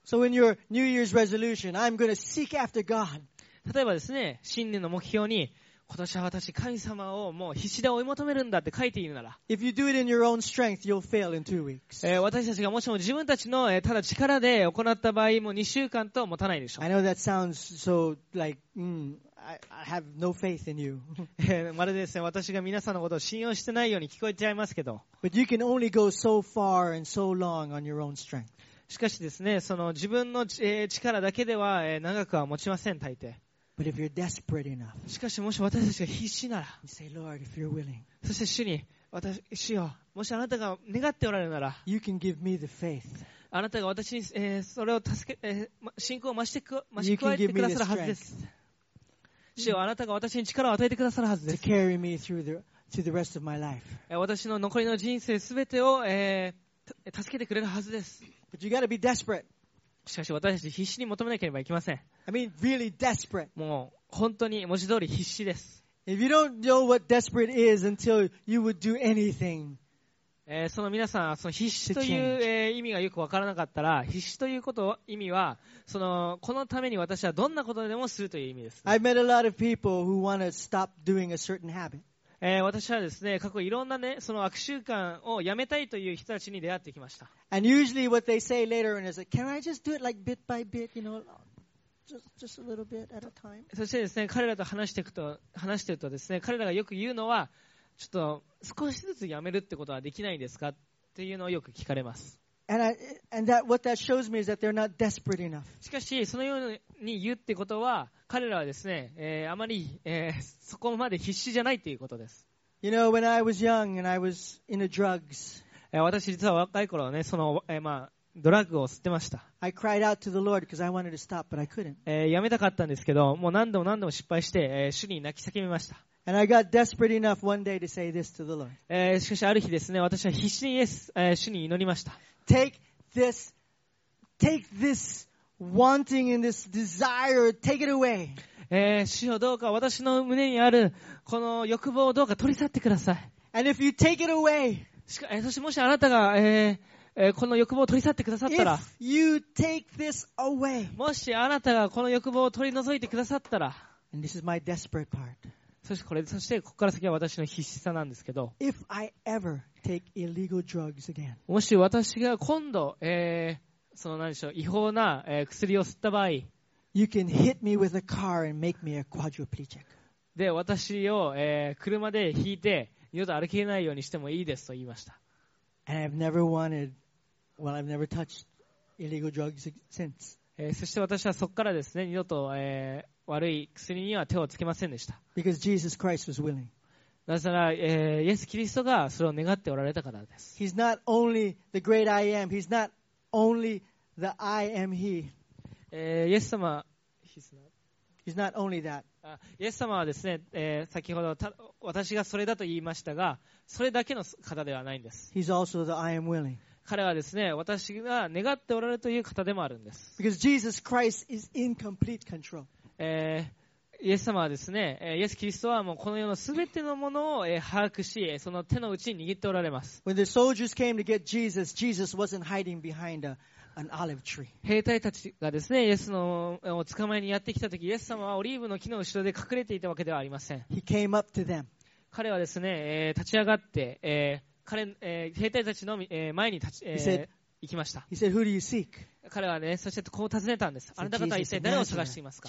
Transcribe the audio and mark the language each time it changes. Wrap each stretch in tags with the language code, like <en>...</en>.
<en>So in your New Year's resolution, I'm going to seek after God.</en> <ja>例えばですね、新年の目標に、今年は私、神様をもう必死で追い求めるんだって書いているなら、私たちがもしも自分たちのただ力で行った場合、もう2週間と持たないでしょう。</ja> <en>I know that sounds so like, I have no faith in you.</en> <ja>まるでですね、私が皆さんのことを信用してないように聞こえちゃいますけど。</ja> <en>But you can only go so far and so long on your own strength.</en> <ja>しかしですね、その自分の力だけでは長くは持ちません、大抵。</ja> <en>But if you're desperate enough,</en> <ja>しかしもし私たちが必死なら、</ja> <en>you say, Lord, if you're willing,</en> <ja>そして主に、私、主よ、もしあなたが願っておられるなら、</ja> <en>you can give me the faith.</en> <ja>あなたが私に、それを助け、信仰を増してく、増し加えてくださるはずです。主よ、あなたが私に力を与えてくださるはずです。</ja> <en>To carry me through the, to the rest of my life.</en> <ja>私の残りの人生すべてを、助けてくれるはずです。</ja> <en>But you gotta be desperate.</en> <ja>しかし私たち必死に求めなければいけません。</ja> <en>I mean, really desperate.</en> <ja>もう本当に文字通り必死です。</ja> <en>If you don't know what desperate is until you would do anything.</en> <ja>その皆さん、その必死という、意味がよくわからなかったら、必死ということ意味は、その、このために私はどんなことでもするという意味です、ね。</ja> <en>I've met a lot of people who want to stop doing a certain habit.</en> <ja>私はですね、過去いろんなね、その悪習慣をやめたいという人たちに出会ってきました。</ja> <en>And usually what they say later on is like, can I just do it like bit by bit, you know? Just a little bit at a time.</en> <ja>そしてですね、彼らと話してるとですね、彼らがよく言うのは、ちょっと少しずつやめるってことはできないですかっていうのをよく聞かれます。しかし、そのように言うってことは、彼らはですね、あまり、そこまで必死じゃないっていうことです。</ja> <en>You know, when I was young and I was in the drugs,</en> <ja>私実は若い頃はね、その、まあ、ドラッグを吸ってました。</ja> <en>I cried out to the Lord because I wanted to stop, but I couldn't.</en> <ja>やめたかったんですけど、もう何度も何度も失敗して、主に泣き叫びました。</ja> <en>And I got desperate enough one day to say this to the Lord.</en> <ja>しかしある日ですね、私は必死に、主に祈りました。</ja> <en>Take this wanting and this desire, take it away.</en> <ja>主よ、どうか私の胸にあるこの欲望をどうか取り去ってください。</ja> <en>And if you take it away,</en> <ja>しか、そしてもしあなたが、この欲望を取り去ってくださったら、</ja> <en>If you take this away,</en> <ja>もしあなたがこの欲望を取り除いてくださったら、</ja> <en>and this is my desperate part.</en> <ja>そしてここから先は私の必死さなんですけど、</ja> <en>If I ever take illegal drugs again,</en> <ja>もし私が今度、その何でしょう、違法な、薬を吸った場合、</ja> <en>you can hit me with a car and make me a quadriplegic.</en> <ja>で私を、車で引いて二度と歩けないようにしてもいいですと言いました。</ja> <en>And I've never wanted, well, I've never touched illegal drugs since.</en> <ja>そして私はそこからですね、二度と、悪い薬には手をつけませんでした。</ja> <en>Because Jesus Christ was willing.</en> <ja>なぜなら、イエス・キリストがそれを願っておられたからです。</ja> <en>He's not only the great I am, he's not only the I am he.</en> <ja>イエス様、</ja> <en>he's not only that.</en> <ja>イエス様はですね、先ほど私がそれだと言いましたが、それだけの方ではないんです。</ja> <en>He's also the I am willing.</en> <ja>彼はですね、私が願っておられるという方でもあるんです。</ja> <en>Because Jesus Christ is in complete control.</en> <ja>イエス様はですね、イエス・キリストはもうこの世のすべてのものを把握し、その手の内に握っておられます。</ja> <en>When the soldiers came to get Jesus, Jesus wasn't hiding behind an olive tree.</en> <ja>兵隊たちがですね、イエスのを捕まえにやってきたとき、イエス様はオリーブの木の後ろで隠れていたわけではありません。</ja> <en>He came up to them.</en> <ja>彼はですね、立ち上がって、兵隊たちの前に行きました。</ja> <en>He said, Who do you seek?</en> <ja>彼はね、そしてこう尋ねたんです。あなた方は一体誰を探していますか？</ja>